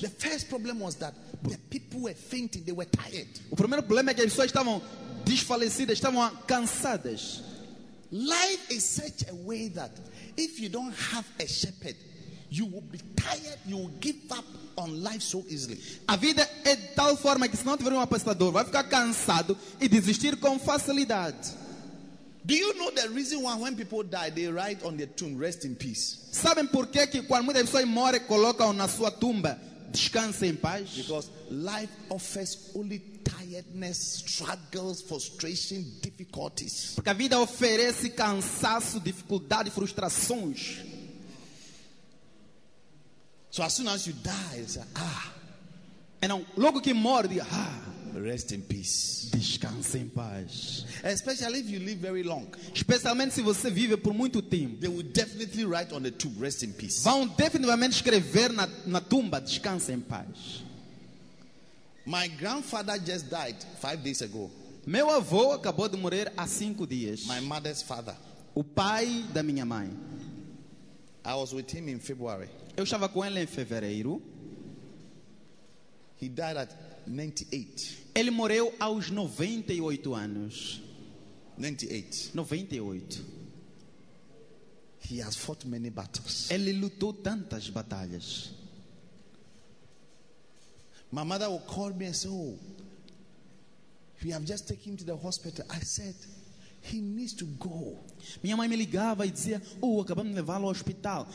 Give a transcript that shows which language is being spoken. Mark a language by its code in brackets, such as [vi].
[en] The first problem was that the people were fainting, they were tired. [pt] O primeiro problema é que as pessoas estavam desfalecidas, estavam cansadas. [en] Life is such a way that if you don't have a shepherd, you will be tired, you will give up on life so easily. [pt] A vida é de tal forma que se não tiver apacentador, vai ficar cansado e desistir com facilidade. [en] Do you know the reason why when people die, they write on their tomb, rest in peace? [pt] Sabem por que quando muitas pessoas morrem, colocam na sua tumba, descanse em paz? [en] Because life offers only tiredness, struggles, frustration, difficulties. [pt] Porque a vida oferece cansaço, dificuldade, frustrações. [en] So as soon as you die, it's like, ah. And now, [pt] logo que morre, [en] you, [pt] ah. [en] Rest in peace. [pt] Descanse em paz. [en] Especially if you live very long. [pt] Especialmente se você vive por muito tempo. [en] They will definitely write on the tomb, rest in peace. [pt] Vão definitivamente escrever na tumba, descanse em paz. [en] My grandfather just died 5 days ago. [pt] Meu avô acabou de morrer há 5 dias. [en] My mother's father. [pt] O pai da minha mãe. [en] I was with him in February. [pt] Eu estava com ele em fevereiro. [en] He died at 98. [pt] Ele morreu aos 98 anos. 98. 98. [en] He has fought many battles. [pt] Ele lutou tantas batalhas. [en] My mother would call me and say, oh, we have just taken him to the hospital. I said, he needs to go. [pt] Minha mãe me ligava e dizia, oh, acabamos de levá-lo ao hospital.